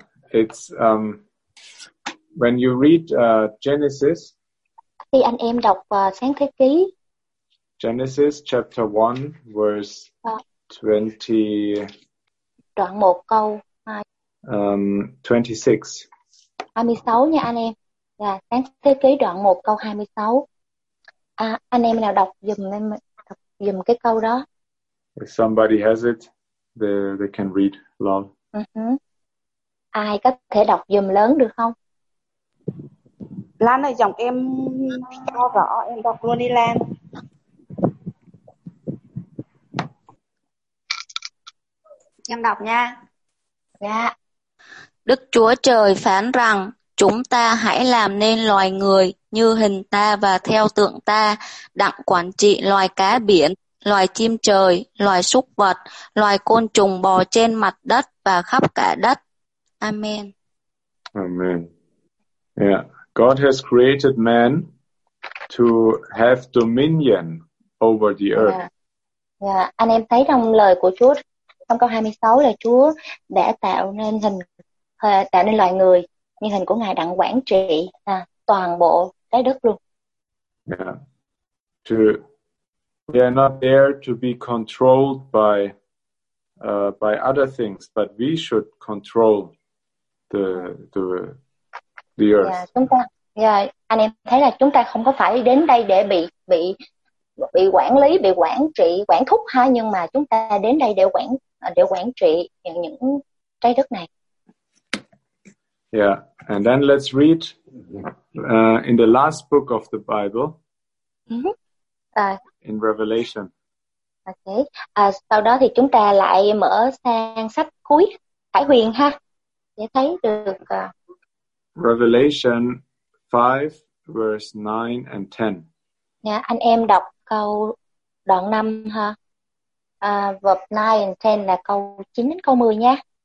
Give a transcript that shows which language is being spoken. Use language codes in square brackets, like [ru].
[en] It's when you read Genesis. [vi] Khi anh em đọc Sáng Thế Ký. [en] Genesis chapter 1 verse 20. [vi] Đoạn 1 câu 26. 26 nha anh em. Là Sáng Thế Ký đoạn 1 câu 26. Anh em nào đọc giùm em đọc giùm cái câu đó. [en] If somebody has it, they can read loud. Uh-huh. [vi] Ai có thể đọc giùm lớn được không? Lan ơi, giọng em to rõ, em đọc luôn đi Lan. Em đọc nha. Dạ. Đức Chúa Trời phán rằng: Chúng ta hãy làm nên loài người như hình ta và theo tượng ta, đặng quản trị loài cá biển, loài chim trời, loài súc vật, loài côn trùng bò trên mặt đất và khắp cả đất. Amen. Amen. Yeah. [en] God has created man to have dominion over the earth. Yeah. [vi] Anh em thấy trong lời của Chúa, trong câu 26 là Chúa đã tạo nên loài người như hình của Ngài, đặng quản trị toàn bộ trái đất luôn. Yeah. [en] We are not there to be controlled by other things, but we should control the earth. [vi] Yeah, anh em thấy là chúng ta không có phải đến đây để bị quản lý, bị quản trị, quản thúc ha, nhưng mà chúng ta đến đây để quản trị những trái đất này. [en] Yeah, and then let's read in the last book of the Bible, in Revelation. Okay. [vi] Sau đó thì chúng ta lại mở sang sách cuối Khải Huyền ha, để thấy được. [en] Revelation 5, verse 9 and 10. [vi] Yeah, anh em đọc câu đoạn 5 ha, [en] verse 9 and 10 [vi] là câu 9 đến câu 10 nha.